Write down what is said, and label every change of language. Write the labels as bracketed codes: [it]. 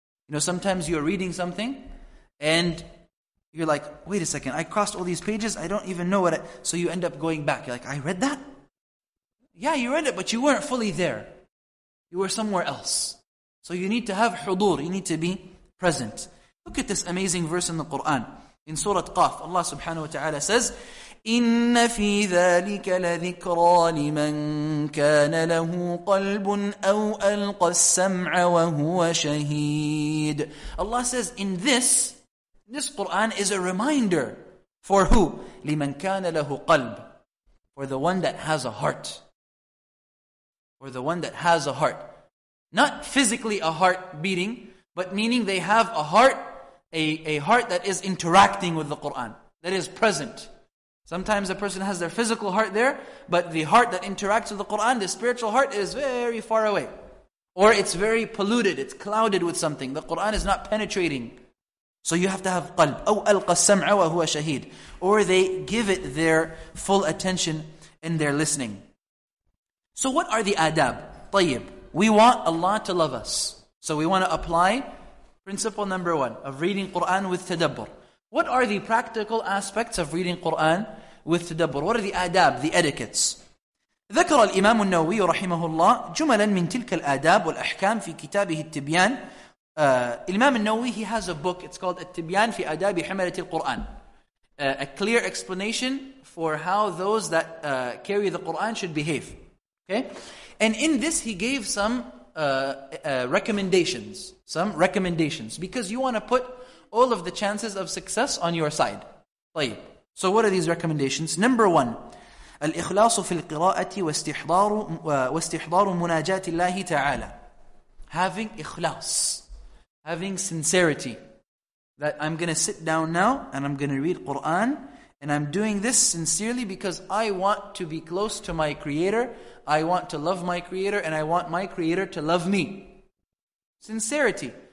[en] You know, sometimes you're reading something and you're like, wait a second, I crossed all these pages, I don't even know what I... So you end up going back. You're like, I read that? Yeah, you read it, but you weren't fully there. You were somewhere else. So you need to have hudur, you need to be present. Look at this amazing verse in the Qur'an. In Surah Qaf, Allah subhanahu wa ta'ala says, [ar] إِنَّ فِي ذَلِكَ لَذِكْرَى لِمَنْ كَانَ لَهُ قَلْبٌ أَوْ أَلْقَى السَّمْعَ وَهُوَ شَهِيدٌ. [en] Allah says, in this Qur'an is a reminder. For who? [ar] لِمَنْ كَانَ لَهُ قَلْبٌ. [en] For the one that has a heart. For the one that has a heart. Not physically a heart beating, but meaning they have a heart, a heart that is interacting with the Qur'an, that is present. Sometimes a person has their physical heart there, but the heart that interacts with the Qur'an, the spiritual heart, is very far away. Or it's very polluted, it's clouded with something. The Qur'an is not penetrating. So you have to have qalb. [ar] أَوْ أَلْقَى السَّمْعَ وَهُوَ شَهِيدٌ. [en] Or they give it their full attention and their listening. So what are the adab? طيب. We want Allah to love us. So we want to apply principle number one of reading Qur'an with tadabbur. What are the practical aspects of reading Qur'an with tadabbur? What are the adab, the etiquettes? [ar] ذكر الإمام النووي رحمه الله جملا من تلك الآداب والأحكام في كتابه التبيان. [en] الإمام النووي, he has a book, it's called التبيان في آداب حملة القرآن. A clear explanation for how those that carry the Qur'an should behave. Okay? And in this he gave some recommendations. Some recommendations. Because you want to put all of the chances of success on your side. [ar] طيب. [en] So what are these recommendations? Number one. [ar] الإخلاص في القراءة واستحضار مناجات الله تعالى. [en] Having إخلاص. Having sincerity. That I'm going to sit down now and I'm going to read Qur'an. And I'm doing this sincerely because I want to be close to my Creator. I want to love my Creator and I want my Creator to love me. Sincerity.